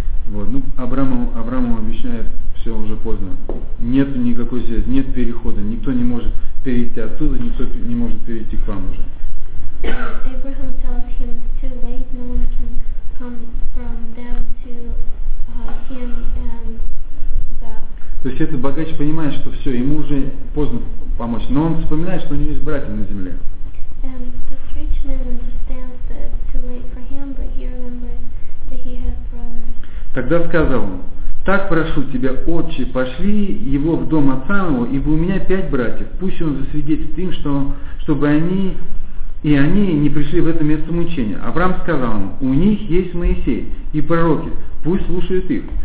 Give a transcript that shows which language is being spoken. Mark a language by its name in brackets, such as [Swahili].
[Russian] Вот, ну, Аврааму обещает, все, уже поздно, нет никакой связи, нет перехода, никто не может перейти оттуда, никто не может перейти к вам уже. [English] Abraham tells him it's too late, no one can come from them to him and back. [Russian] То есть этот богач понимает, что все, ему уже поздно помочь, но он вспоминает, что у него есть братья на земле. [English] And this rich man understands that it's too late for him, but he remembers that he has brothers. [Russian] Тогда сказал он, так прошу тебя, отче, пошли его в дом отца его, ибо у меня 5 братьев, пусть он засвидетельствует им, что, чтобы они и они не пришли в это место мучения. Авраам сказал ему, у них есть Моисей и пророки, пусть слушают их.